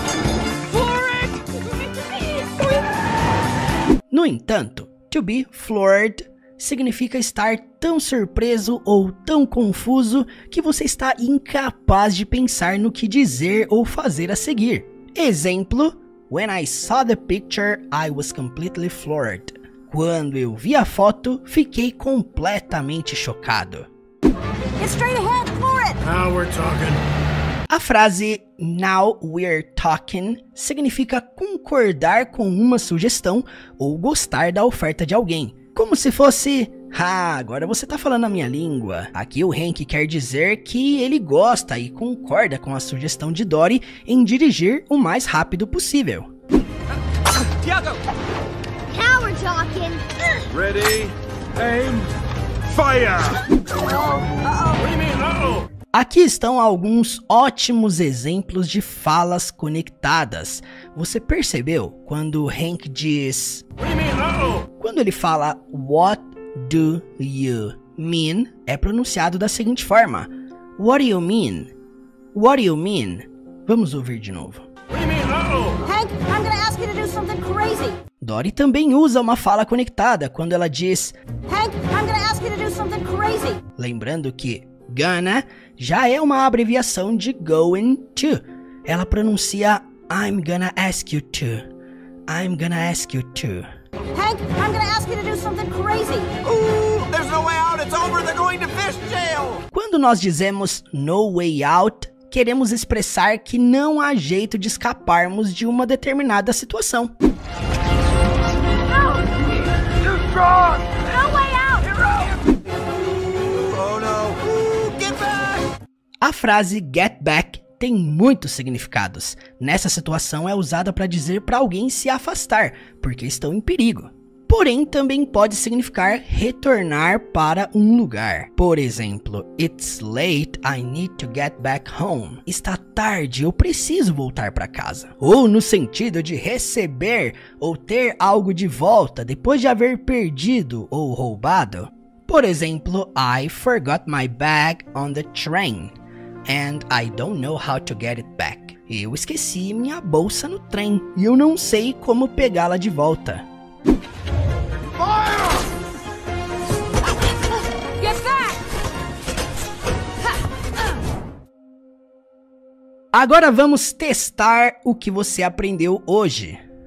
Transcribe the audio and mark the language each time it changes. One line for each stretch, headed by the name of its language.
English: Floor it!
Portuguese: No entanto,
English: to be floored
Portuguese: significa estar tão surpreso ou tão confuso que você está incapaz de pensar no que dizer ou fazer a seguir. Exemplo,
English: when I saw the picture, I was completely floored.
Portuguese: Quando eu vi a foto, fiquei completamente chocado.
English: It's straight ahead, floor it! Now we're talking.
Portuguese: A frase
English: now we're talking
Portuguese: significa concordar com uma sugestão ou gostar da oferta de alguém. Como se fosse, agora você tá falando a minha língua. Aqui o Hank quer dizer que ele gosta e concorda com a sugestão de Dory em dirigir o mais rápido possível. Tiago!
English: Now we're talking! Ready, aim, fire! Uh-oh. What do you mean, uh-oh?
Portuguese: Aqui estão alguns ótimos exemplos de falas conectadas. Você percebeu quando o Hank diz...
English: What do you mean, uh-oh?
Portuguese: Quando ele fala
English: what do you mean,
Portuguese: é pronunciado da seguinte forma.
English: What do you mean? What do you mean?
Portuguese: Vamos ouvir de novo.
English: What do you mean, uh-oh? Hank, I'm gonna ask you to do something crazy.
Portuguese: Dory também usa uma fala conectada quando ela diz
English: Hank, I'm gonna ask you to do something crazy.
Portuguese: Lembrando que gonna já é uma abreviação de going to. Ela pronuncia
English: I'm gonna ask you to.
Portuguese: I'm gonna ask you to.
English: Hank, I'm gonna ask you to do something crazy. Ooh, there's no way out, it's over, they're going to fish jail.
Portuguese: Quando nós dizemos
English: no way out,
Portuguese: queremos expressar que não há jeito de escaparmos de uma determinada situação.
English: No! Too strong! No way out! Hero! Oh no! Get back!
Portuguese: A frase get back tem muitos significados. Nessa situação é usada para dizer para alguém se afastar, porque estão em perigo. Porém, também pode significar retornar para um lugar. Por exemplo,
English: it's late, I need to get back home.
Portuguese: Está tarde, eu preciso voltar para casa. Ou no sentido de receber ou ter algo de volta depois de haver perdido ou roubado. Por exemplo,
English: I forgot my bag on the train. And I don't know how to get it back.
Portuguese: Eu esqueci minha bolsa no trem e eu não sei como pegá-la de volta.
English: Fire! Get back!
Portuguese: Agora vamos testar o que você aprendeu hoje.